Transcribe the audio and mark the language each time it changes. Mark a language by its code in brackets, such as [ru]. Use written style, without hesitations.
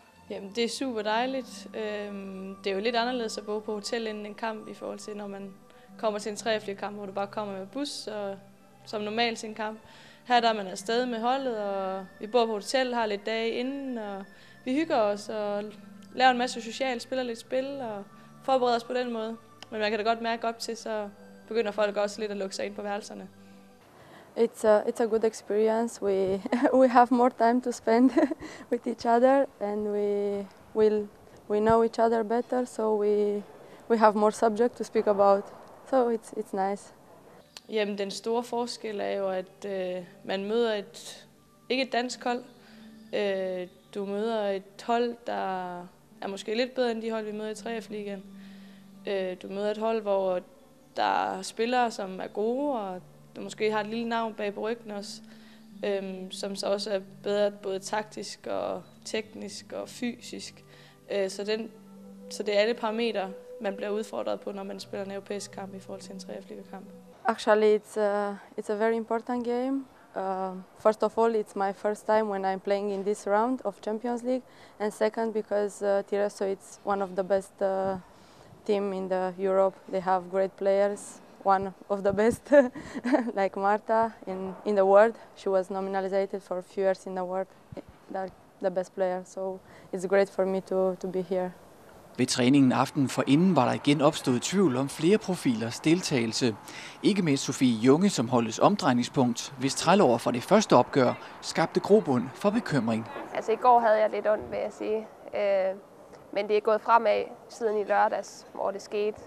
[da] Jamen, det er super dejligt. Det er jo lidt anderledes at bo på hotel inden en kamp, i forhold til når man kommer til en 3F-lige kamp, hvor du bare kommer med bus og som normalt til en kamp. Her der er man afsted med holdet, og vi bor på hotel, har lidt dage inden, og vi hygger os og laver en masse socialt, spiller lidt spil og forbereder os på den måde. Men man kan da godt mærke op til, så begynder folk også lidt at lukke sig ind på værelserne. [en] It's a good experience. We have more time to spend with each other, and we know each other better, so we have more subject to speak about. So it's nice. [da] Jamen, den store forskel er jo, at man møder et ikke et dansk hold. Du møder et hold, der er måske lidt bedre end de hold, vi møder i 3F-ligaen. Du møder et hold, hvor der er spillere, som er gode, og du måske har et lille navn bag på ryggen også, som så også er bedre både taktisk og teknisk og fysisk. Så det er alle parametre, man bliver udfordret på, når man spiller en europæisk kamp i forhold til en 3F-ligakamp. [en] Actually, it's a very important game. First of all, it's my first time when I'm playing in this round of Champions League, and second because Tiraspol is one of the best team in the Europe. They have great players, one of the best, like Marta in the world. She was nominalized for a few years in the world, the best player. So it's great for me to be here. [da] Ved træningen aftenen forinden var der igen opstået tvivl om flere profilers deltagelse. Ikke mindst Sofie Junge, som holdes omdrejningspunkt, hvis trælover fra det første opgør skabte grobund for bekymring. Altså i går havde jeg lidt ondt, vil jeg sige. Men det er gået fremad siden i lørdags, hvor det skete.